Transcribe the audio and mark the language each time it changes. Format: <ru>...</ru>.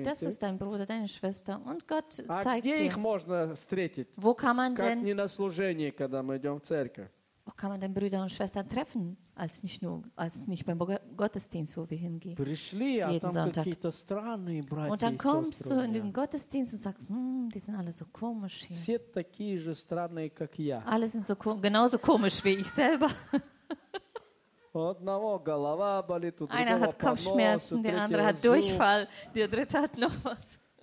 <de>das ist dein Bruder, deine Schwester und Gott zeigt dir.</de> <ru>Их можно встретить?</ru> <de>Wo kann man denn?</de> <ru>Как не на служении, когда мы идем в церковь?</ru> <de>Wo kann man denn Brüder und Schwestern treffen, als nicht nur als nicht beim Gottesdienst, wo wir hingehen?</de> <ru>Пришли,</ru> <de>jeden Sonntag.</de> <ru>Какие-то</ru> <de>und dann kommst du in den Gottesdienst und sagst, die sind alle so komisch hier.</de> <ru>Все такие же странные, как я.</ru> <de>Alle sind so genauso komisch wie ich selber.</de> <ru>Одного голова болит, у</ru> <de>einer hat Kopfschmerzen, der andere hat Durchfall, der dritte hat noch was.</de>